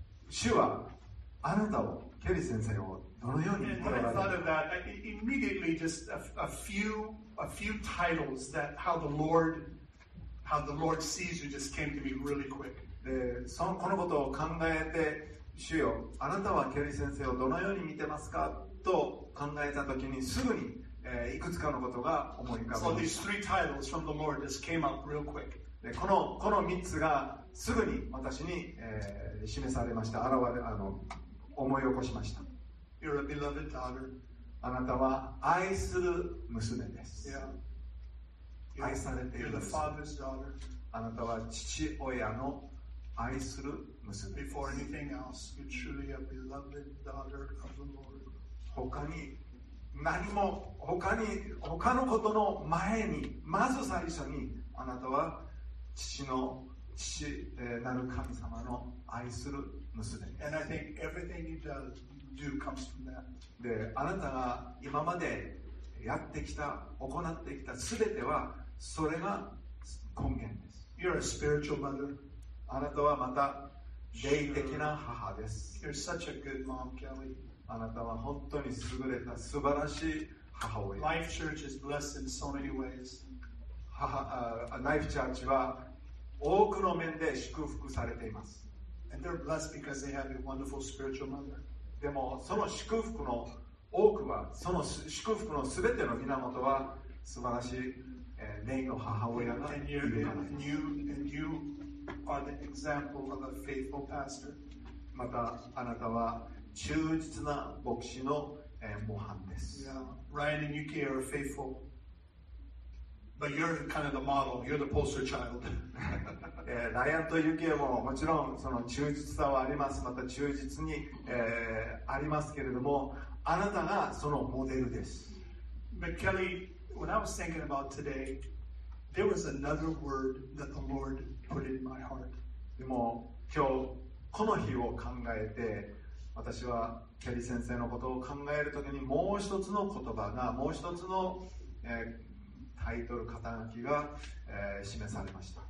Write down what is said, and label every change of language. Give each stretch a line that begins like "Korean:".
Japanese: 主はあなたをケリー先生をどのように見られるか。
English: And when I thought of that, immediately just a few titles that how the Lord sees you just came to me really quick.
Japanese: で、そのこのことを考えて主よ、あなたはケリー先生をどのように見てますか。と考えたときにすぐに、いくつかのことが思い浮か
English: ぶ。So these three titles from the Lord just came up real quick.
Japanese: で、この3つがすぐに私に、示されました。思い起こしました。
English: You're a beloved daughter.
Japanese: あなたは愛する娘です。
English: Yeah.
Japanese: 愛されている
English: 娘。You're the father's daughter.
Japanese: あなたは父親の愛する娘です。
English: Before anything else, you're truly a beloved daughter of the Lord.
Japanese: 他に何も他のことの前にまず最初にあなたは父なる神様の愛する娘です。
English: And I think everything you do comes from that.
Japanese: で、あなたが今までやってきた行ってきた全てはそれが根源です。
English: You're a spiritual mother.
Japanese: あなたはまた霊的な母です。
English: You're such a good mom, Kelly.
Japanese: あなたは本当に優れた素晴らしい母親。
English: Life Church is blessed in so many ways.
Japanese: Life Church は多くの面で祝福されています。
English: And they're blessed because they have a wonderful spiritual mother.
Japanese: でもその祝福の多くは、その祝福のすべての源は素晴らしい、霊の母親がいるからです。
English: And you are the example of a faithful pastor.
Japanese: またあなたは忠実な牧師の、模範です。
English: Yeah. Ryan and Yuki are faithful, but you're kind of the model. You're the poster child.
Japanese: ライアンとユキももちろんその忠実さはあります。また忠実に、ありますけれども、あなたがそのモデルです。
English: But Kelly, when I was thinking about today, there was another word that the Lord put in my heart.
Japanese: でも今日この日を考えて。私はケリー先生のことを考えるときにもう一つの言葉がもう一つの、タイトル肩書きが、示されました。